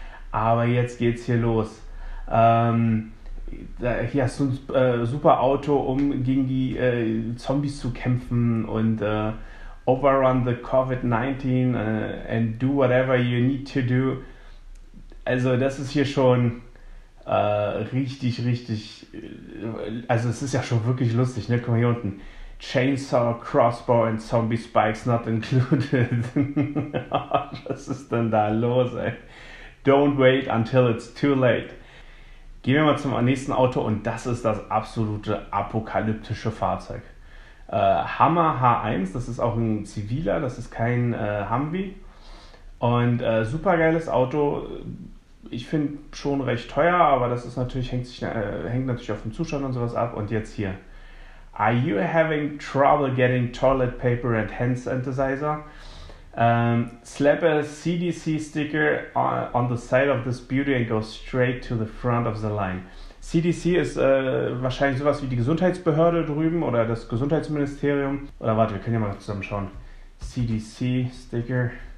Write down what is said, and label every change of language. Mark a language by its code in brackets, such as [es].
[de] Aber jetzt geht's hier los. Hier hast du ein super Auto, um gegen die Zombies zu kämpfen und [en] overrun the COVID-19 and do whatever you need to do. [de] Also das ist hier schon richtig, also es ist ja schon wirklich lustig, ne? Guck mal hier unten, [en] Chainsaw, Crossbow and Zombie Spikes not included. [de] Was ist denn da los, ey? [en] Don't wait until it's too late. [de] Gehen wir mal zum nächsten Auto und das ist das absolute apokalyptische Fahrzeug. Hammer H1, das ist auch ein ziviler, das ist kein Humvee. Und super geiles Auto. ich finde schon recht teuer, aber das ist natürlich, hängt natürlich auch vom Zustand und sowas ab. Und jetzt hier. [en] Are you having trouble getting toilet paper and hand sanitizer? Slap a CDC sticker on the side of this beauty and go straight to the front of the line. [de] CDC ist wahrscheinlich sowas wie die Gesundheitsbehörde drüben oder das Gesundheitsministerium. Oder warte, wir können ja mal zusammen schauen. CDC Sticker.